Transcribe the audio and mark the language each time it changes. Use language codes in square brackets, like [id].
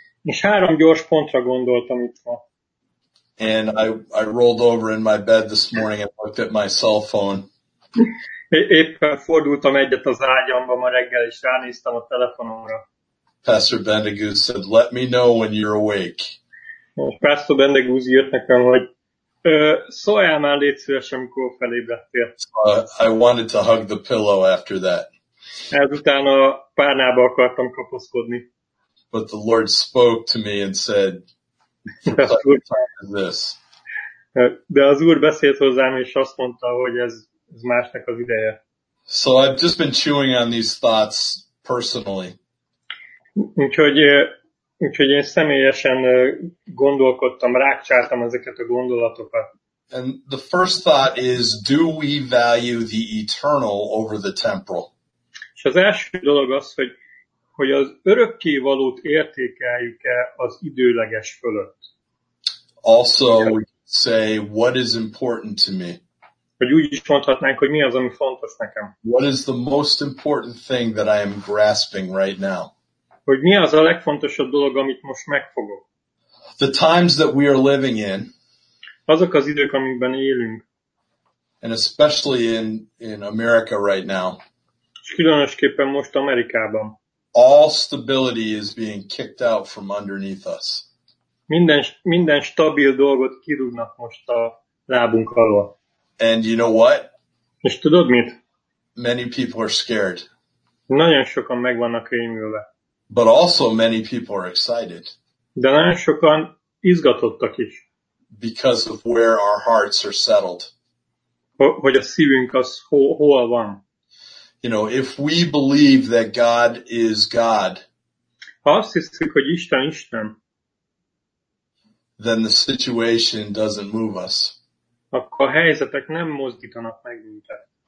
[hu] És három gyors pontra gondoltam itt ma. [en] And I rolled over in my bed this morning and looked at my cell phone. [hu] Éppen fordultam egyet az ágyamba ma reggel, és ránéztem a telefonomra. [en] Pastor Bendegúz said, let me know when you're awake. [hu] Pastor Bendegúz írt nekem, hogy szóljál már, légy szíves, amikor felébredtél. [en] I wanted to hug the pillow after that. [hu] Ezután a párnába akartam kapaszkodni. [en] But the Lord spoke to me and said, this. [hu] De az Úr beszélt hozzám, és azt mondta, hogy ez másnak az ideje. [en] So I've just been chewing on these thoughts personally. [hu] Úgyhogy én személyesen gondolkodtam, rákcsáltam ezeket a gondolatokat. [en] And the first thought is, do we value the eternal over the temporal? [hu] És az első dolog az, hogy az örökkévalót értékeljük-e az időleges fölött. [en] Also, say, what is important to me? [hu] Hogy úgy is mondhatnánk, hogy mi az, ami fontos nekem. [en] What is the most important thing that I am grasping right now? [hu] Hogy mi az a legfontosabb dolog, amit most megfogok. [en] The times that we are living in, [hu] azok az idők, amikben élünk, [en] and especially in America right now, [hu] és különösképpen most Amerikában, [en] all stability is being kicked out from underneath us. [hu] Minden stabil dolgot kirúgnak most a lábunk alól. [en] And you know what? [hu] És tudod mit? [en] Many people are scared. [hu] Nagyon sokan meg vannak rémülve. [en] But also many people are excited. [hu] De nagyon sokan izgatottak is. [en] Because of where our hearts are settled. [hu] Hogy a szívünk az hol van. [en] You know, if we believe that God is God, [hu] ha azt hiszük, hogy Isten Isten, [en] then the situation doesn't move us. [hu] Akkor a helyzetek nem mozdítanak meg minket.